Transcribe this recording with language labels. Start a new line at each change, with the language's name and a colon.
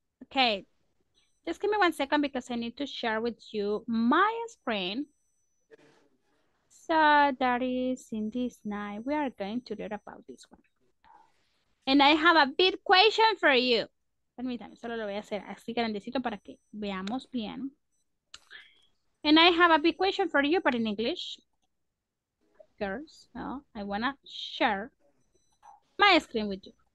English: Okay, just give me one second because I need to share with you my screen. So, that is in this night, we are going to learn about this one. And I have a big question for you.
Spanish: Permítame, solo lo voy a hacer así grandecito para que veamos bien.
English: And I have a big question for you, but in English. Girls, no, I wanna share my screen with you.